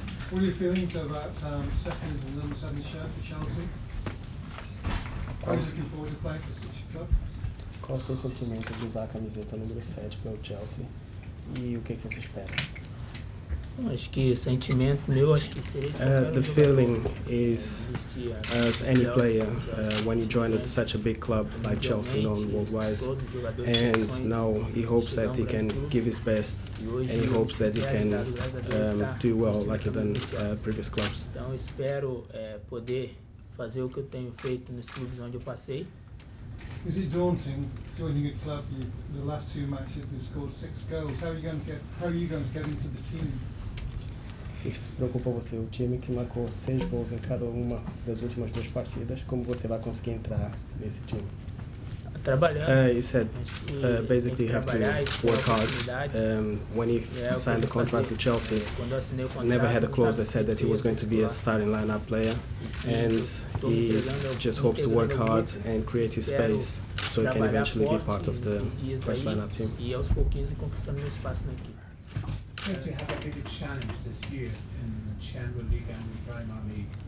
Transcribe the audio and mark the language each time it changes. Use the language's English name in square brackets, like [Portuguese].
[English] What are your feelings about seconds and number seven shirt for Chelsea? [Portuguese] Qual é o seu sentimento de usar a camiseta número 7 pelo Chelsea? E o que você espera? Acho que sentimento meu, acho que seria... [English] The feeling is, as any player, when you join such a big club like Chelsea, known worldwide, and now he hopes that he can give his best, and he hopes that he can do well like than previous clubs. [Portuguese] Então, espero poder... fazer o que eu tenho feito nos clubes onde eu passei. [English] Is it daunting joining a club the last two matches they've scored 6 goals? How are you going to get into the team? [Portuguese] Se preocupa você o time que marcou 6 gols em cada uma das últimas duas partidas, como você vai conseguir entrar nesse time? Trabalhando. [English] He said, basically you have to work hard. When he signed the contract with Chelsea, never had a clause that said that he was going to be a starting lineup player. And he just hopes to work hard and create his space so he can eventually be part of the first lineup team. [Portuguese] E aos pouquinhos conquistando meu espaço na equipe. [English] Chelsea had a big challenge this year in the Champions League and the Premier League.